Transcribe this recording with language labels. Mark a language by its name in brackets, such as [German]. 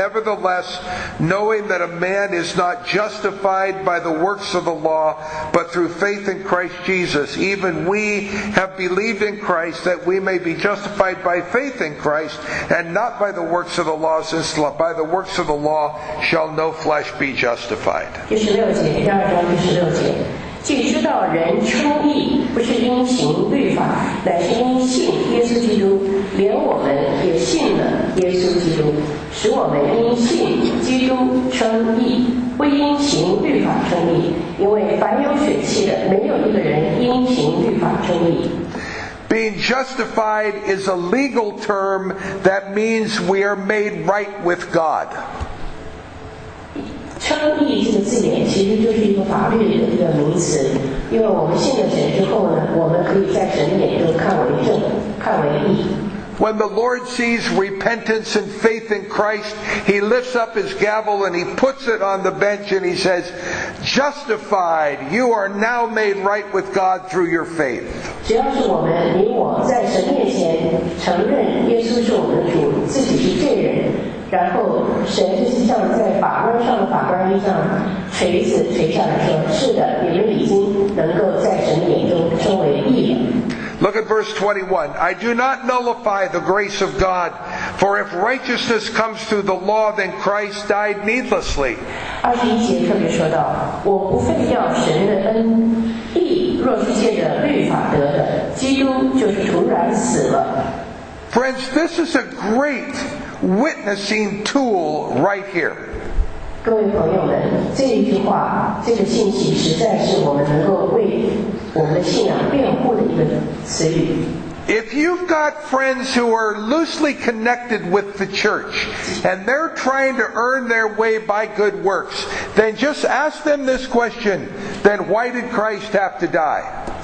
[English] Nevertheless, knowing that a man is not justified by the works of the law, but through faith in Christ Jesus, even we have believed in Christ that we may be justified by faith in Christ and not by the works of the law, since by the works of the law shall no flesh be justified. [Chinese] 第十六节，第二章第十六节，既知道人称义不是因行律法，乃是因信耶稣基督，连我们也信了耶稣基督，使我们因信基督称义，不因行律法称义，因为凡有血气的，没有一个人因行律法称义。 [English] Being justified is a legal term that means we are made right with God. [Chinese] 称义这个字眼其实就是一个法律的一个名词，因为我们信了神之后呢，我们可以在神眼中看为正，看为义。 [English] When the Lord sees repentance and faith in Christ, he lifts up his gavel and he puts it on the bench and he says, justified, you are now made right with God through your faith. [Chinese] 只要是我们你我在神面前承认耶稣是我们的主，自己是罪人，然后神就是像在法官上的法官一样锤子锤下来说，是的，你们已经能够在神眼中称为义了。 [English] Look at verse 21. I do not nullify the grace of God, for if righteousness comes through the law, then Christ died needlessly. [Chinese] 二十一节特别说到，我不废掉神的恩，义若是借着律法得的，基督就是徒然死了。 [English] Friends, this is a great witnessing tool right here. [Chinese] 各位朋友们，这一句话，这个信息实在是我们能够为我们的信仰辩护的一个词语。 [English] If you've got friends who are loosely connected with the church and they're trying to earn their way by good works, then just ask them this question, then why did Christ have to die?